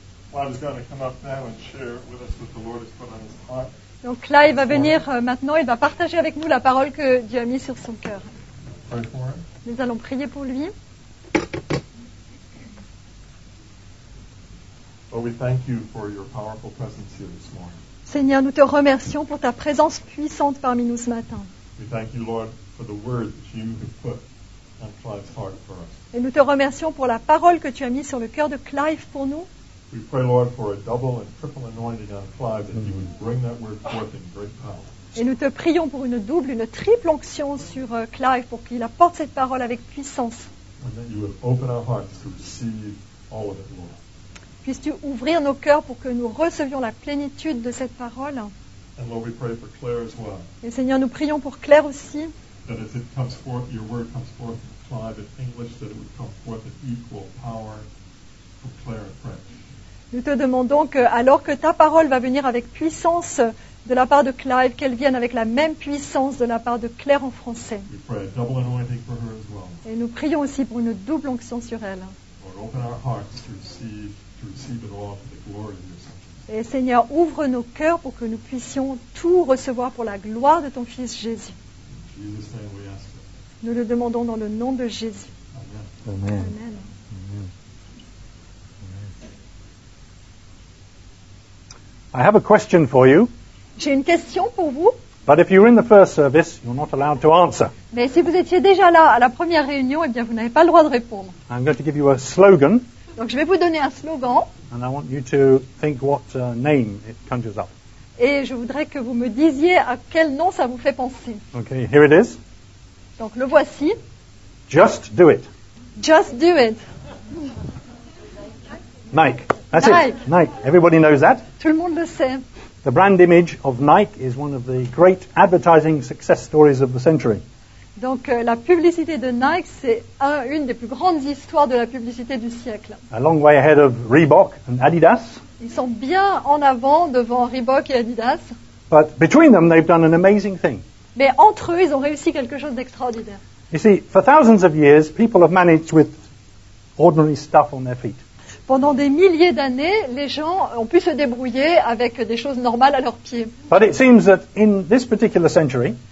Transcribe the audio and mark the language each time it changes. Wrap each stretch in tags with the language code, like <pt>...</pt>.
<en>Clive is going to come up now and share with us what the Lord has put on his heart.</en> <fr>Donc Clive va venir maintenant, il va partager avec nous la parole que Dieu a mise sur son cœur. Nous allons prier pour lui.</fr> <en>Lord, we thank you for your powerful presence here this morning.</en> <fr>Seigneur, nous te remercions pour ta présence puissante parmi nous ce matin.</fr> <en>We thank you, Lord, for the word that you have put</en> <fr>Et nous te remercions pour la parole que tu as mise sur le cœur de Clive pour nous.</fr> <en>We pray, Lord, for a double and triple anointing on Clive, that you would bring that word forth in great power.</en> <fr>Et nous te prions pour une double, une triple onction sur Clive pour qu'il apporte cette parole avec puissance.</fr> <en>And that you would open our hearts to receive all of it, Lord.</en> <fr>Puisses-tu ouvrir nos cœurs pour que nous recevions la plénitude de cette parole.</fr> <en>And Lord, we pray for Claire as well.</en> <fr>Et Seigneur, nous prions pour Claire aussi.</fr> <en>That if it comes forth, your word comes forth in Clive in English, that it would come forth in equal power for Claire in French.</en> <fr>Nous te demandons que, alors que ta parole va venir avec puissance de la part de Clive, qu'elle vienne avec la même puissance de la part de Claire en français.</fr> <en>We pray a double anointing for her as well.</en> <fr>Et nous prions aussi pour une double onction sur elle.</fr> <en>Lord, open our hearts to receive it all for the glory of your Son.</en> <fr>Et Seigneur, ouvre nos cœurs pour que nous puissions tout recevoir pour la gloire de ton Fils Jésus.</fr> <en>In Jesus' name we ask it.</en> <fr>Nous le demandons dans le nom de Jésus.</fr> <en>Amen. Amen. Amen. I have a question for you.</en> <fr>J'ai une question pour vous.</fr> <en>But if you're in the first service, you're not allowed to answer.</en> <fr>Mais si vous étiez déjà là à la première réunion, eh bien vous n'avez pas le droit de répondre.</fr> <en>I'm going to give you a slogan.</en> <fr>Donc je vais vous donner un slogan.</fr> <en>And I want you to think what name it conjures up.</en> <fr>Et je voudrais que vous me disiez à quel nom ça vous fait penser.</fr> <en>Okay, here it is.</en> <fr>Donc le voici.</fr> <en>Just do it. Just do it. Mike. That's Nike. It. Nike. Everybody knows that.</en> <fr>Tout le monde le sait.</fr> <en>The brand image of Nike is one of the great advertising success stories of the century.</en> <fr>Donc la publicité de Nike, c'est une des plus grandes histoires de la publicité du siècle.</fr> <en>A long way ahead of Reebok and Adidas.</en> <fr>Ils sont bien en avant devant Reebok et Adidas.</fr> <en>But between them, they've done an amazing thing.</en> <fr>Mais entre eux, ils ont réussi quelque chose d'extraordinaire.</fr> <en>You see, for thousands of years, people have managed with ordinary stuff on their feet.</en> <fr>Pendant des milliers d'années, les gens ont pu se débrouiller avec des choses normales à leurs pieds.</fr> <en>But it seems that in this particular century,</en>